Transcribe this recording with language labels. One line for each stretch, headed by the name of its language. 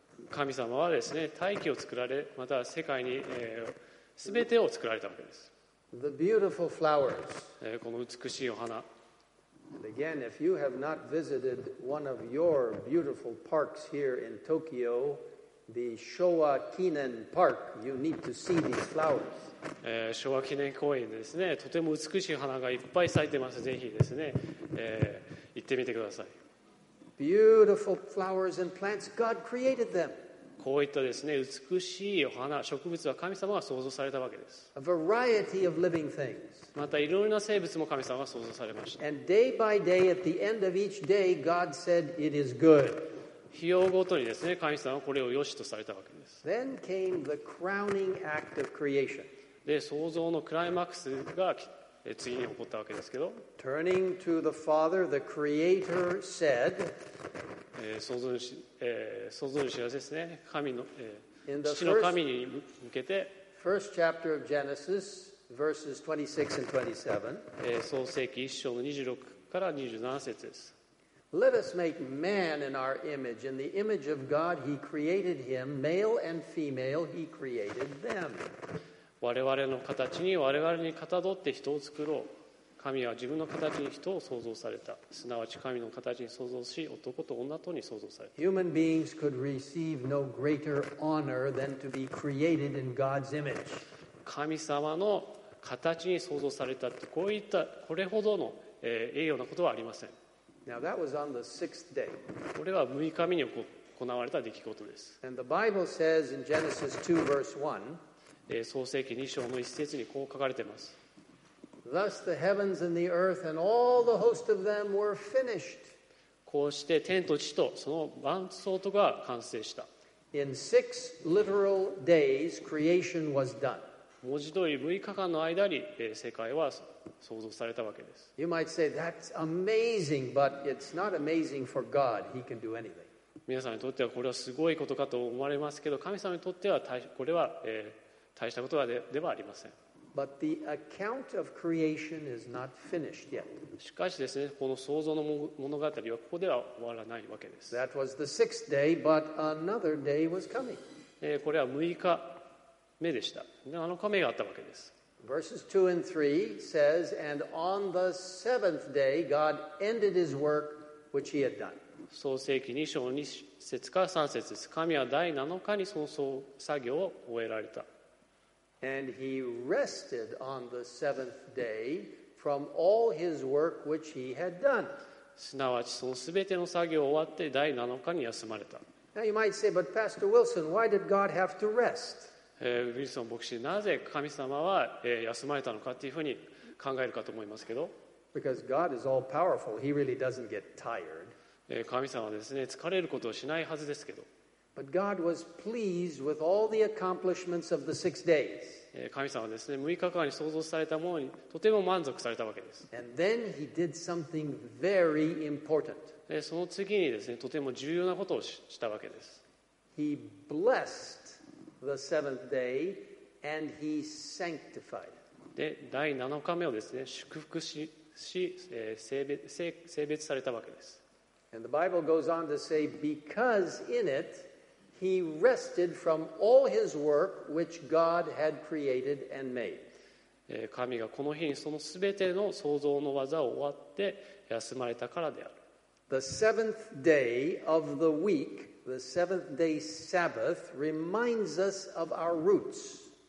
Japanese: 神様はですね、大気を作られ、また世界に、全てを作られたわけです。
English: The beautiful flowers.
Japanese: この美しいお花。
English: And again, if you have not visited one of your beautiful parks here in Tokyo, the Showa Kinen Park, you need to see these flowers.
Japanese: 昭和記念公園ですね。とても美しい花がいっぱい咲いてます。ぜひですね、行ってみてください。
English: Beautiful flowers and plants. God created them.
Japanese: こういったですね、美しいお花、植物は神様が創造されたわけです。
English: A variety of living things.
Japanese: またいろいろな生物も神様が創造されました。
English: And day by day, at the end of each day, God said, "It is good."
Japanese: 日をごとにですね、神様はこれを良しとされたわけです。
English: Then came the crowning act of creation.
Japanese: で、創造のクライマックスが次に起こったわけですけど、
English: Turning to the Father, the Creator said.
Japanese: 創造主はですね、神の父の神に向けて、
English: First chapter of Genesis, verses 26 and 27.
Japanese: 創世記1章の26から27節です。
English: Let us make man in our image, in the image of God He created him, male and female He created them.
Japanese: 我々の形に我々にかたどって人を作ろう。神は自分の形に人を創造された。すなわち神の形に創造し、男と女とに創造された。
English: Human beings could receive no greater honor than to be created in God's image.
Japanese: 神様の形に創造されたって、こういったこれほどの栄誉なことはありません。
English: Now that was on the sixth day.
Japanese: これは6日目に行われた出来事です。
English: And the Bible says in Genesis 2 verse 1,
Japanese: 創世記2章の1節にこう書かれています。
English: Thus the heavens and the earth and all the host of them were finished.
Japanese: こうして天と地とその万総とが完成した。
English: In six literal days, creation was done.
Japanese: 文字通り6日間の間に世界は創造されたわけです。
English: You might say that's amazing, but it's not amazing for God. He can do anything.
Japanese: 皆さんにとってはこれはすごいことかと思われますけど、神様にとってはこれは大したことではありません。
English: But the account of creation is not finished yet.
Japanese: しかしですね、この創造の物語はここでは終わらないわけです。
English: That was the sixth day, but another day was coming.
Japanese: これは6日目でした。 7日目があったわけです。
English: Verses 2 and 3 says, And on the seventh day, God ended his work which he had done.
Japanese: 創世記2章2節から3節です。神は第7日にその作業を終えられた。
English: And he rested on the seventh day from all his work which he had done.
Japanese: すなわちそのすべての作業を終わって第7日に休まれた。
English: Now you might say, but Pastor Wilson, why did God have to rest?
Japanese: ウィルソン牧師、なぜ神様は休まれたのかというふうに考えるかと思いますけど。
English: Because God is all powerful, he really doesn't get tired.
Japanese: 神様はですね、疲れることをしないはずですけど。
English: But God was pleased with all the accomplishments of the six days.
Japanese: 神様はですね、6日間に創造されたものにとても満足されたわけです。
English: And then he did something very important.
Japanese: その次にですね、とても重要なことをしたわけです。
English: He blessed the seventh day and he sanctified it.
Japanese: で、第7日目をですね、祝福し、し、性別されたわけです。
English: And the Bible goes on to say, because in it he rested from all his work which God had created and made.
Japanese: 神がこの日にそのすべての創造の技を終わって休まれたからである。
English: The seventh day of the week, the seventh day Sabbath, reminds us of our roots.